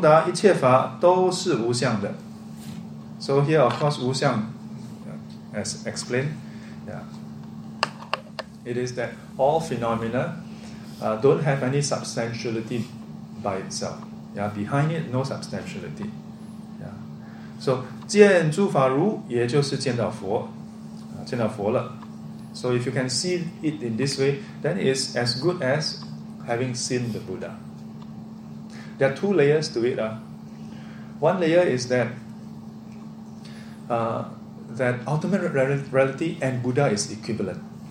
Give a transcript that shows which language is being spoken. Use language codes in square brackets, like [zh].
[zh] 就能通达一切法都是无相的. [en] So here, of course, 无相, as explained, yeah, it is that all phenomena don't have any substantiality by itself. Yeah, behind it, no substantiality. Yeah. [zh] So 见诸法如，也就是见到佛了. [en] So if you can see it in this way, then it's as good as having seen the Buddha. There are two layers to it. One layer is that that ultimate reality and Buddha is equivalent.